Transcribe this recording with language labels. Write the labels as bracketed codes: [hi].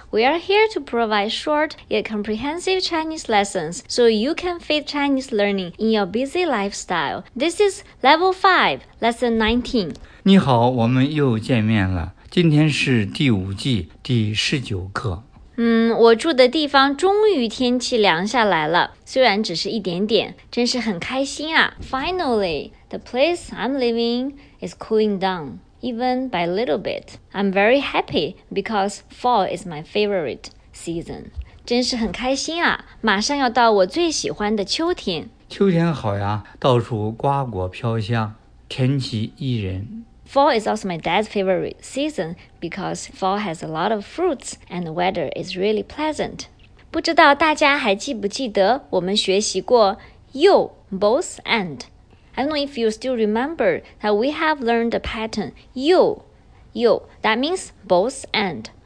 [en] We are here to provide short yet comprehensive Chinese lessons so you can fit Chinese learning in your busy lifestyle. This is Level 5, Lesson 19. [zh] 你好，我们又见面了。今天是第五季第十九课。我住的地方终于天气凉下来了，虽然只是一点点，真是很开心啊。 [en] Finally, the place I'm living is cooling down, even by a little bit. I'm very happy because fall is my favorite season. [zh] 真是很开心啊，马上要到我最喜欢的秋天。秋天好呀，到处瓜果飘香，天气宜人。 [en] Fall is also my dad's favorite season because fall has a lot of fruits and the weather is really pleasant. 不知道大家还记不记得我们学习过 you, both, and. I don't know if you still remember that we have learned the pattern you, you, that means both and.